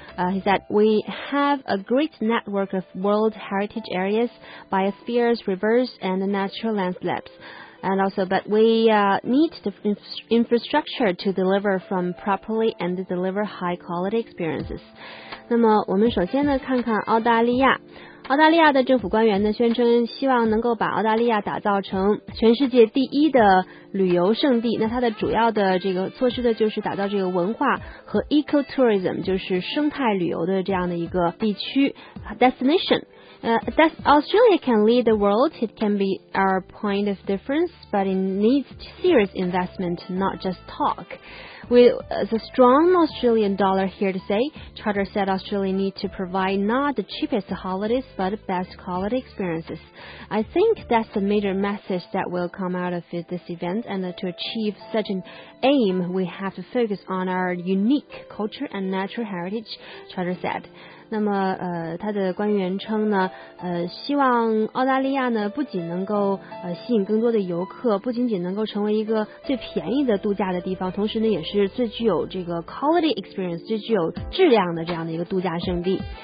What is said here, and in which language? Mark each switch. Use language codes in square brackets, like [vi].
[en] He said, we have a great network of world heritage areas, biospheres, rivers, and natural landscapes. And also, but we need the infrastructure to deliver from properly and deliver high quality experiences. [zh] 那么我们首先呢，看看澳大利亚。澳大利亚的政府官员呢宣称希望能够把澳大利亚打造成全世界第一的旅游胜地，那它的主要的这个措施呢就是打造这个文化和 ecotourism， 就是生态旅游的这样的一个地区 destination。 [en] Australia can lead the world, it can be our point of difference, but it needs serious investment, not just talk. With the strong Australian dollar here to say, Charter said Australia needs to provide not the cheapest holidays, but the best quality experiences. I think that's the major message that will come out of this event, and to achieve such an aim, we have to focus on our unique culture and natural heritage, Charter said. [zh] 那么他的官员称呢希望澳大利亚呢不仅能够吸引更多的游客，不仅仅能够成为一个最便宜的度假的地方，同时呢也是最具有这个 [en] quality experience， [zh] 最具有质量的这样的一个度假胜地。